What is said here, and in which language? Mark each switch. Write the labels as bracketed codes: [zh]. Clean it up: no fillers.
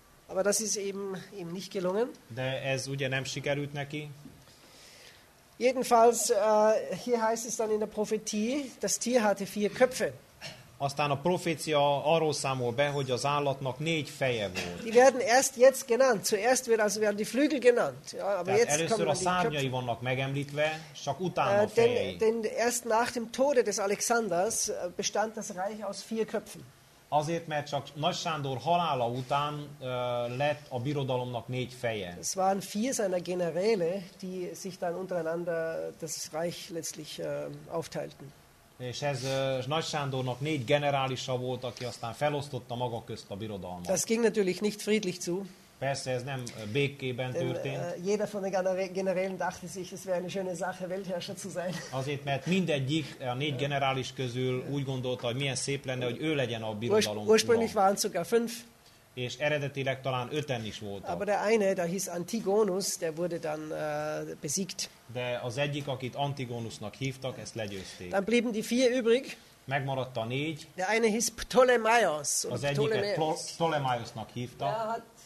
[de] Aber das ist eben nicht gelungen. [hu] De ez ugye nem sikerült neki. [de] Jedenfalls hier heißt es dann in der Prophetie, das Tier hatte vier Köpfe. [hu] Aztán a profécia arról számol be, hogy az állatnak négy feje volt. [de] Die werden erst jetzt genannt. Zuerst werden die Flügel genannt. Ja, aber jetzt [hu] először a szárnyai vannak megemlítve, csak utána a fejei. [de] Denn erst nach dem Tode des Alexanders bestand das Reich aus vier Köpfen. [hu] Azért, mert csak Nagy Sándor halála után lett a birodalomnak négy feje. [de] Es waren vier seiner Generäle, die sich dann untereinander das Reich letztlich aufteilten. [hu] És ez Nagy Sándornak négy generálisa volt, aki aztán felosztotta maga közt a birodalmat. [de] Das ging natürlich nicht friedlich zu. [hu] Persze, ez nem békében történt. [de] Jeder von den Generälen dachte sich, es wäre eine schöne Sache, Weltherrscher zu sein. [hu] Azért, mert mindegyik a négy generális közül úgy gondolta, hogy milyen szép lenne, hogy ő legyen a birodalom. [de] Ursprünglich waren sogar fünf. [hu] És eredetileg talán öten is voltak. [de] Aber der eine, der hieß Antigonus, der wurde dann besiegt. [hu] De az egyik, akit Antigonusnak hívtak, ezt legyőzték. [de] Dann blieben die vier übrig. [hu] Megmaradt a négy. [de] Der eine hieß Ptolemaios. [hu] Az egyiket Ptolemaiosnak hívta.